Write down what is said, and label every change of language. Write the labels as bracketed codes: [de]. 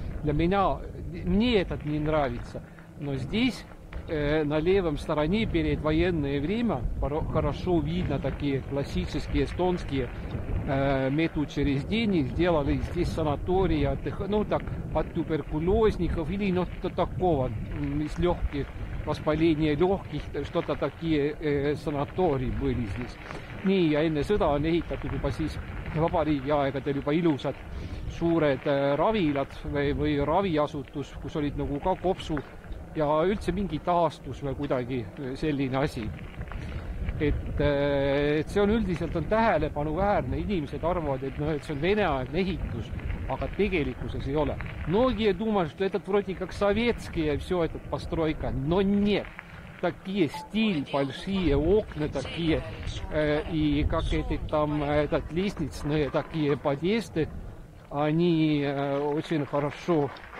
[ru] Для меня, мне этот не нравится. Но здесь, на левом стороне, перед военное время, хорошо видно такие классические эстонские медучреждения. Сделали здесь санатории, ну так, от туберкулезников или что-то такого, из легких. Воспаление легких, что-то такие санатории были здесь. [et] Nii, ja enne sõda on ehitatud juba siis vabariigi aegadel juba ilusad suured ravilad või raviasutus, kus olid nagu ka kopsu ja üldse mingi taastus või kuidagi selline asi. Et see on üldiselt on tähelepanu väärne. Inimesed arvavad, et, no, et see on veneaegne ehitus. Aga tegelikkuses ei ole. [ru] Многие думают, что это вроде как советские все этот постройка, но нет. Такие стиль, большие окна такие, и как эти там этот лестничные такие подъезды, они очень хорошо